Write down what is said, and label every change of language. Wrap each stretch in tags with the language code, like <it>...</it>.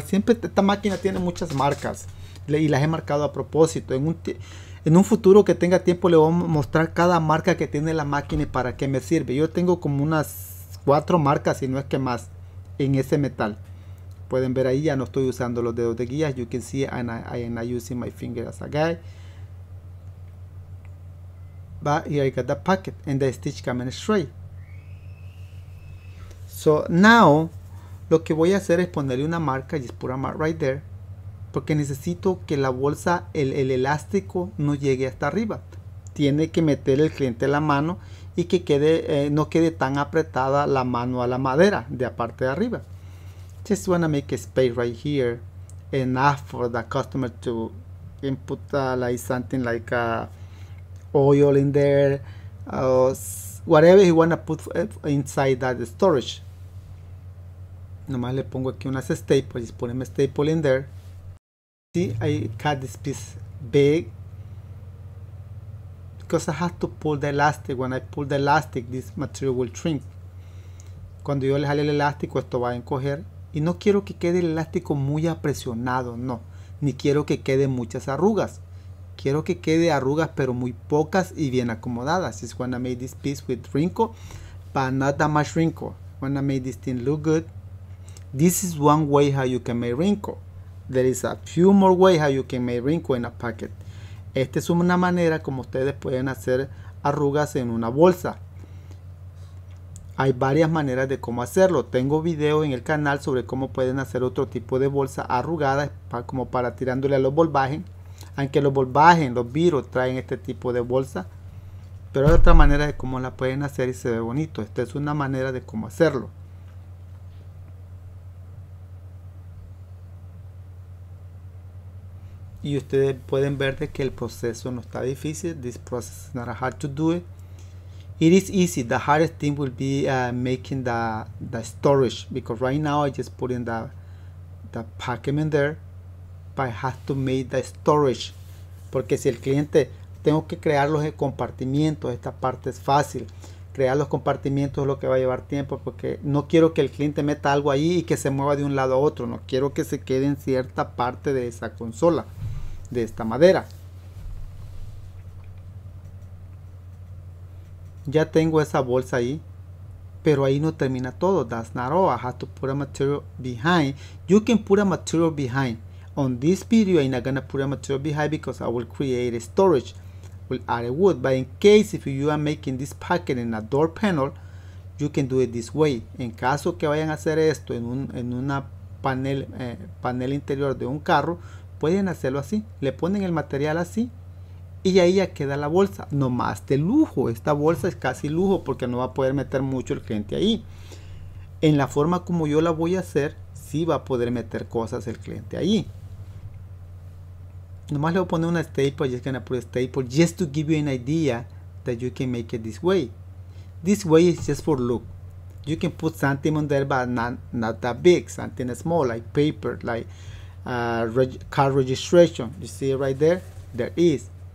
<es>Siempre esta máquina tiene muchas marcas y las he marcado a propósito. En un futuro que tenga tiempo le voy a mostrar cada marca que tiene la máquina y para qué me sirve. Yo tengo como unas 4 marcas, si no es que más, en ese metal. Pueden ver ahí, ya no estoy usando los dedos de guía.</es> <en>You can see I am not using my finger as a guide. But here I got the packet and the stitch coming straight.</en> <es>So now lo que voy a hacer es ponerle una marca,</es> <en>just put a mark right there,</en> <es>porque necesito que la bolsa, el elástico no llegue hasta arriba. Tiene que meter el cliente la mano y que quede, no quede tan apretada la mano a la madera de la parte de arriba.</es> <en>Just wanna make a space right here, enough for the customer to input like something like oil in there, whatever he wanna put inside that storage.</en> <es>Nomás le pongo aquí unas staples y poneme</es> <en>staple in there. See, I cut this piece big because I have to pull the elastic. When I pull the elastic, this material will shrink.</en> <es>Cuando yo le jale el elástico, esto va a encoger. Y no quiero que quede el elástico muy apresionado, no. Ni quiero que quede muchas arrugas. Quiero que quede arrugas, pero muy pocas y bien acomodadas.</es> <en>It's when I made this piece with wrinkle, but not that much wrinkle. When I made this thing look good. This is one way how you can make wrinkle. There is a few more ways how you can make wrinkle in a pocket.</en> <es>Esta es una manera como ustedes pueden hacer arrugas en una bolsa. Hay varias maneras de cómo hacerlo. Tengo video en el canal sobre cómo pueden hacer otro tipo de bolsa arrugada, como para tirándole a los volvajes. Aunque los volvajes, los virus, traen este tipo de bolsa. Pero hay otra manera de cómo la pueden hacer y se ve bonito. Esta es una manera de cómo hacerlo. Y ustedes pueden ver de que el proceso no está difícil.</es> <en>This process is not hard to do it. It is easy. The hardest thing will be making the storage, because right now I just put in the packaging there, but I have to make the storage.</en> <es>Porque si el cliente, tengo que crear los compartimientos, esta parte es fácil. Crear los compartimientos es lo que va a llevar tiempo, porque no quiero que el cliente meta algo ahí y que se mueva de un lado a otro. No quiero que se quede en cierta parte de esa consola, de esta madera. Ya tengo esa bolsa ahí, pero ahí no termina todo.</es> <en>That's not all. I have to put a material behind. You can put a material behind. On this video, I'm not gonna put a material behind because I will create a storage. Will add a wood. But in case if you are making this packet in a door panel, you can do it this way.</en> <es>En caso que vayan a hacer esto en un panel interior de un carro, pueden hacerlo así. Le ponen el material así. Y ahí ya queda la bolsa, no más de lujo. Esta bolsa es casi lujo porque no va a poder meter mucho el cliente ahí. En la forma como yo la voy a hacer, sí va a poder meter cosas el cliente ahí. Nomás le voy a poner una staple,</es> <en>just gonna put a staple, just to give you an idea that you can make it this way. This way is just for look. You can put something on there, but not that big, something small, like paper, like car registration. You see it right there? There is.</en>